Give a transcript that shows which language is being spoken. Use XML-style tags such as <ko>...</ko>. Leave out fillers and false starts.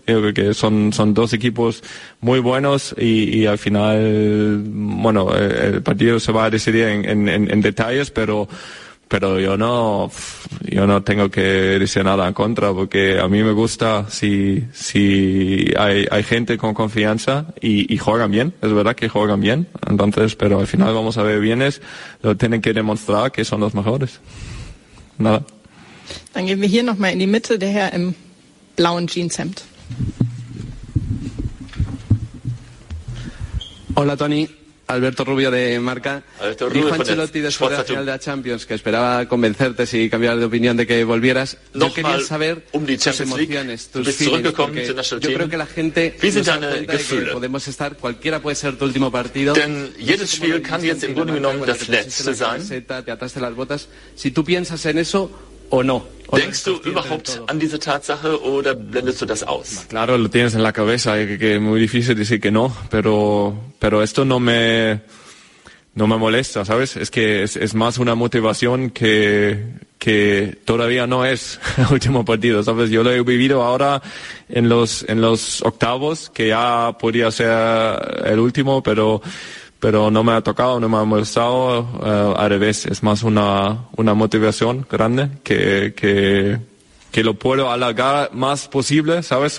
<es>Yo creo que son dos equipos muy buenos, y al final, bueno, el partido se va a decidir en detalles, pero yo no tengo que decir nada en contra, porque a mí me gusta si hay gente con confianza y juegan bien. Es verdad que juegan bien. Entonces, pero al final vamos a ver bienes, lo tienen que demostrar que son los mejores. Nada.</es> <de>Dann gehen wir hier noch mal in die Mitte, der Herr im blauen Jeanshemd.</de> <es>Hola, Toni. Alberto Rubio de Marca. Dijo Ancelotti después de la final de la Champions que esperaba convencerte si cambiar de opinión de que volvieras. Yo quería saber tus emociones, tus feelings. Yo creo que la gente nos da cuenta de que podemos estar, cualquiera puede ser tu último partido. Te ataste las botas. Si tú piensas en eso o no.</es> <de>Denkst du überhaupt an diese Tatsache oder blendest du das aus?</de> <es>Claro, lo tienes en la cabeza, que es muy difícil decir que no, pero esto no me molesta, ¿sabes? Es que es más una motivación que todavía no es el último partido, ¿sabes? Yo lo he vivido ahora en los octavos, que ya podría ser el último, pero no me ha tocado, no me ha molestado, al revés, es más una motivación grande que lo puedo alargar más posible, ¿sabes?</es>